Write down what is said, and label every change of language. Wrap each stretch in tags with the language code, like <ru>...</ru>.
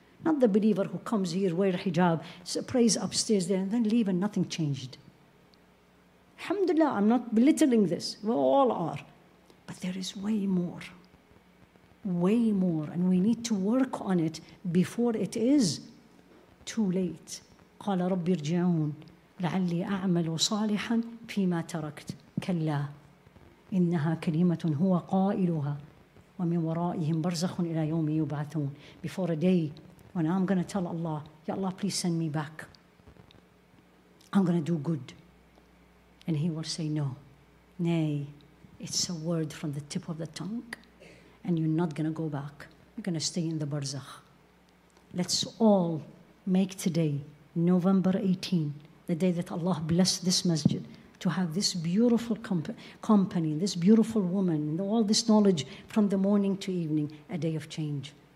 <en>Not the believer who comes here, wear hijab, prays upstairs there, and then leave and nothing changed. Alhamdulillah, I'm not belittling this. We all are. But there is way more. Way more, and we need to work on it before it is too late.</en> <ar>قال رب ارجعون لعلي أعمل صالحا فيما تركت كلا إنها كلمة هو قائلها ومن ورائهم برزخ إلى يوم يبعثون.</ar> <en>Before a day when I'm going to tell Allah, Ya Allah, please send me back. I'm going to do good. And he will say, no. Nay, it's a word from the tip of the tongue. And you're not going to go back. You're going to stay in the barzakh. Let's all make today, November 18, the day that Allah blessed this masjid, to have this beautiful company, this beautiful woman, all this knowledge from the morning to evening, a day of change.</en>